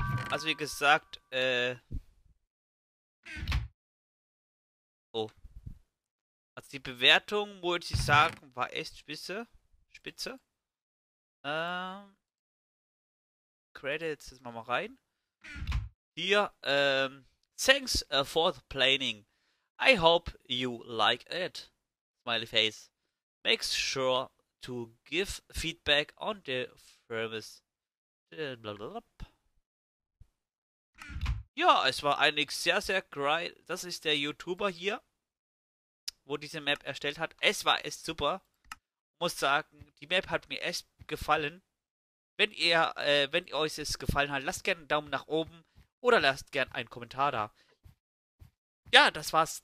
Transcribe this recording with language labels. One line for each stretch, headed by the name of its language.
German: Also wie gesagt, also die Bewertung, würde ich sagen, war echt spitze. Spitze. Credits, jetzt machen wir rein.
English: Hier, thanks for the planning. I hope you like it. Smiley face. Make sure to give feedback on the firmes.
German: Ja, es war eigentlich sehr, sehr geil. Das ist der YouTuber hier, wo diese Map erstellt hat. Es war echt super. Muss sagen, die Map hat mir echt gefallen. Wenn ihr, wenn euch es gefallen hat, lasst gerne einen Daumen nach oben oder lasst gerne einen Kommentar da. Ja, das war's.